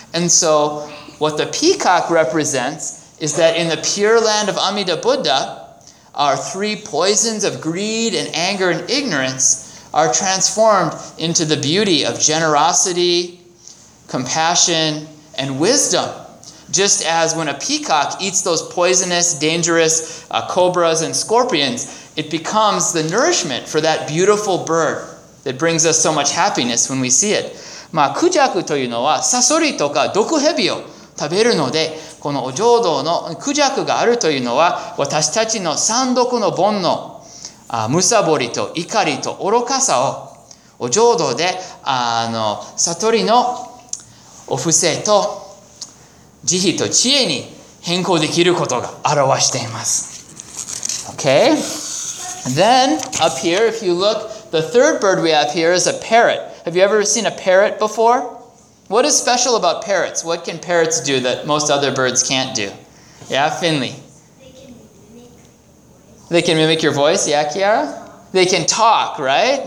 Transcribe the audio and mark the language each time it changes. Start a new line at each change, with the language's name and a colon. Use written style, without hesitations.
English: And so what the peacock represents is that in the Pure Land of Amida Buddha, our three poisons of greed and anger and ignorance are transformed into the beauty of generosity, compassion, and wisdom. Just as when a peacock eats those poisonous, dangerous cobras and scorpions, it becomes the nourishment for that beautiful bird that brings us so much happiness when we see it.
Japanese: まあ、クジャクというのはサソリとか毒蛇を食べるので、このお浄土のクジャクがあるというのは、私たちの三毒の煩悩、むさぼりと怒りと愚かさをお浄土で悟りのお布施と慈悲と知恵に変更できることが表しています。
English: Okay? Then, up here, if you look, the third bird we have here is a parrot. Have you ever seen a parrot before? What is special about parrots? What can parrots do that most other birds can't do? Yeah, Finley. They can mimic your voice, yeah, Kiara? They can talk, right?